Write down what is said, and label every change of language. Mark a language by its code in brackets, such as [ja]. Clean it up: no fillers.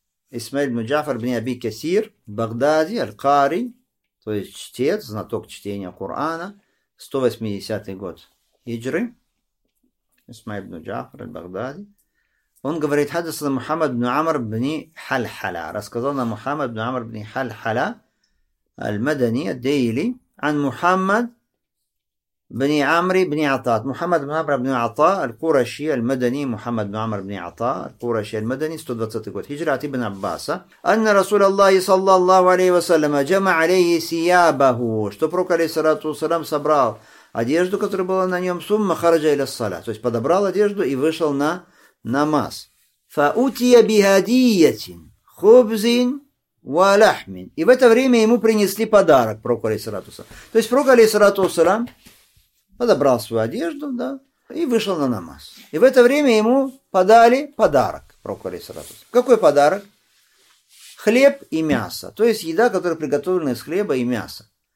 [ru] Исмаил ибн Джафар ибн Аби Касир, Багдади, Аль-Кари, то есть чтец, знаток чтения Корана, 180 год хиджры. Исмаил ибн Джафар, Аль-Багдади. Он говорит, хаддасана Мухаммад ибн Амр ибн Хал-Хала. Рассказал нам Мухаммад ибн Амр ибн Хал-Хала, Аль-Мадани, Дейли, عن محمد بن عمرو بن عطاء محمد بن عمرو بن عطاء القرشي المدني محمد بن عمرو بن عطاء القرشي المدني 120 год هجرة ابن عباس [ar] أن رسول الله صلى الله عليه وسلم جمع عليه ثيابه [ru] что пророк алейхиссалату вассалям собрал одежду которая была на нем [ar] ثم خرج إلى الصلاة [ru] то есть подобрал одежду и вышел на намаз [ar] فأتي بهدية خبز Валяхмин. [ru] И в это время ему принесли подарок пророку алейхиссалатусалям. То есть пророк алейхиссалатусалям подобрал свою одежду, да, и вышел на намаз. И в это время ему подали подарок пророку алейхиссалатусалям. Какой подарок? Хлеб и мясо. То есть еда, которая приготовлена из хлеба и мяса.